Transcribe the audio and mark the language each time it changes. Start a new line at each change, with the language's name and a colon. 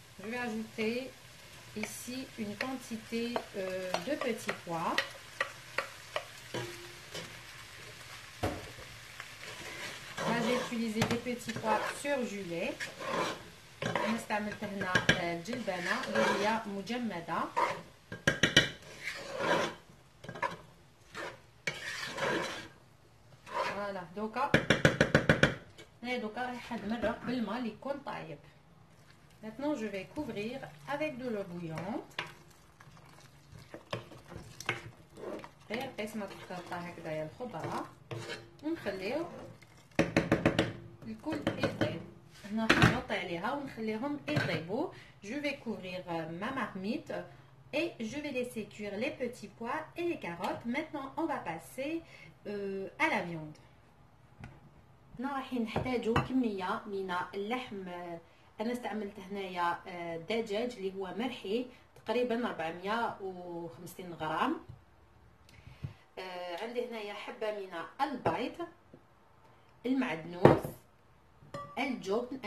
French: Je vais ajouter ici une quantité de petits pois. Là, j'ai utilisé des petits pois surgelés.
Arabic: نستعمل هنا الجلبانة اللي هي مجمدة. Voilà, دوكا هنا دوكا راح نمرق بالماء اللي يكون طايب.
French: Maintenant, je vais couvrir avec de l'eau bouillante.
Arabic: غير قسمه الخلطه هكذا يا الخضره ونخليو الكل يطيب. هنا نغطي عليها ونخليهم يطيبوا.
French: جو في كوفرير ما مارميت et je vais laisser cuire les petits pois et les carottes. Maintenant, on va passer à la viande.
Arabic: راح نحتاجو كميه من اللحم. انا استعملت هنايا دجاج اللي هو مرحي تقريبا 450 غرام. عندي هنايا حبه من البيض المعدنوس الجبن.